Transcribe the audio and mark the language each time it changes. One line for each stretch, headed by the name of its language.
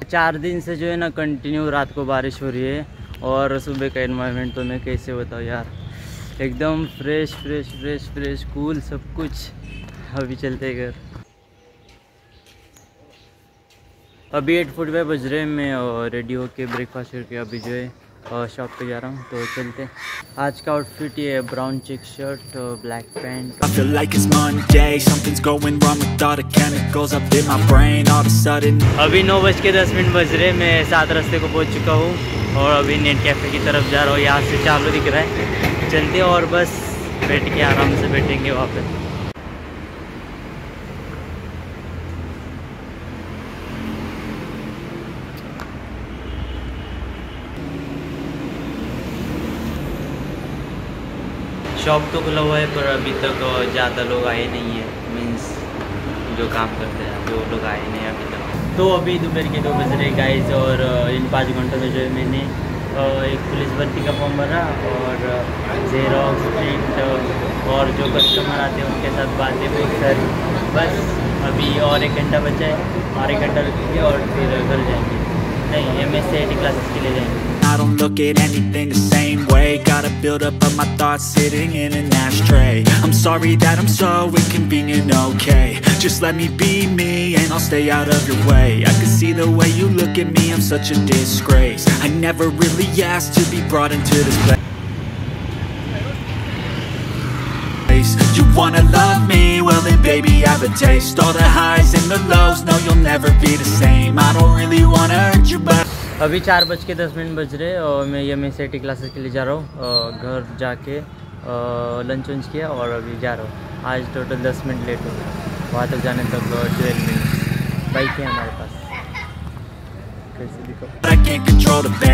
Hindi: 4 दिन से जो है ना कंटिन्यू रात को बारिश हो रही है, और सुबह का एनवायरनमेंट तो मैं कैसे बताऊँ यार, एकदम फ्रेश कूल सब कुछ। अभी चलते घर। अभी 8:45 बज रहे हैं, मैं रेडी होके ब्रेकफास्ट करके अभी जो है शॉप पे जा रहा हूँ, तो चलते। आज का आउटफिट ये brown check shirt, black pant.
English: I feel like it's Monday, something's going wrong with all the chemicals up in my brain all of a sudden।
Hindi: अभी 9:10 बज रहे, मैं 7 रास्ते को पहुँच चुका हूँ, और अभी नेट कैफे की तरफ जा रहा हूँ। यहाँ से चालू दिख रहा है, चलते और बस बैठ के आराम से बैठेंगे वहाँ पे। शॉप तो खुला हुआ है पर अभी तक तो ज़्यादा लोग आए नहीं है, मीन्स जो काम करते हैं जो लोग आए नहीं अभी तक। तो अभी दोपहर के 2 बज रहे गाइस, और इन 5 घंटों में जो है मैंने एक पुलिस भर्ती का फॉर्म भरा, और जेरोक्स प्रिंट, और जो कस्टमर आते हैं उनके साथ बातें भी कर, बस अभी और 1 घंटा बचा है, और 1 घंटा रुकेंगे और फिर घर जाएंगे। नहीं, MSCIT क्लासेस के लिए जाएंगे।
English: I don't look at anything the same way, gotta build up of my thoughts sitting in an ashtray. I'm sorry that I'm so inconvenient, okay, just let me be me and I'll stay out of your way. I can see the way you look at me, I'm such a disgrace, I never really asked to be brought into this place. You wanna love me, well then baby I have a taste, all the highs and the lows, no you'll never be the same. I don't really wanna hurt you but
Hindi: अभी 4:10 बज रहे, और मैं MSCIT classes के लिए जा रहा हूँ। घर जाके लंच वंच किया और अभी जा रहा हूँ। आज टोटल 10 मिनट लेट हो गया, वहाँ तक जाने तक 12 मिनट। बाइक है हमारे पास, कैसे दिखो।